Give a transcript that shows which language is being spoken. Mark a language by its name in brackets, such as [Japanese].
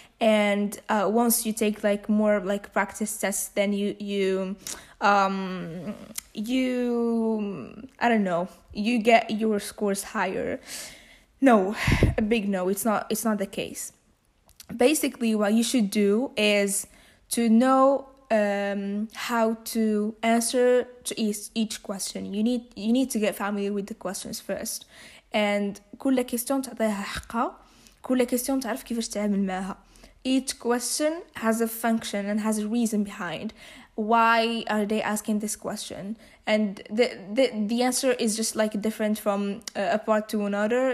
[English] And once you take like more like practice tests, then you get your scores higher. No, a big no, it's not the case. Basically, what you should do is to know how to answer to each question. You need to get familiar with the questions first. [Arabic] And كل question تعطيها حقها, كل question تعرف كيفاش تعمل معها. [English] Each question has a function and has a reason behind. Why are they asking this question? And the answer is just like different from a part to another.